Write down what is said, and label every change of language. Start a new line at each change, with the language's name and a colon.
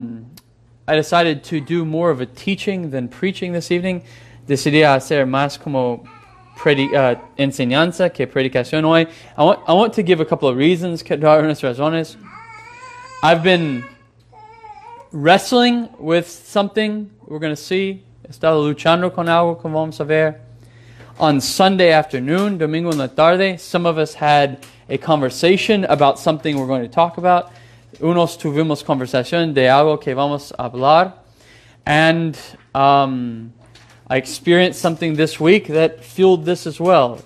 English: I decided to do more of a teaching than preaching this evening.
Spanish: Decidí hacer más como enseñanza que predicación hoy.
English: I want to give a couple of reasons,
Spanish: que dar unas razones.
English: I've been wrestling with something. We're going to see.
Spanish: Estaba luchando con algo, como vamos a ver.
English: On Sunday afternoon,
Spanish: domingo en la tarde,
English: some of us had a conversation about something we're going to talk about.
Spanish: Unos tuvimos conversación de algo que vamos a hablar.
English: And I experienced something this week that fueled this as well.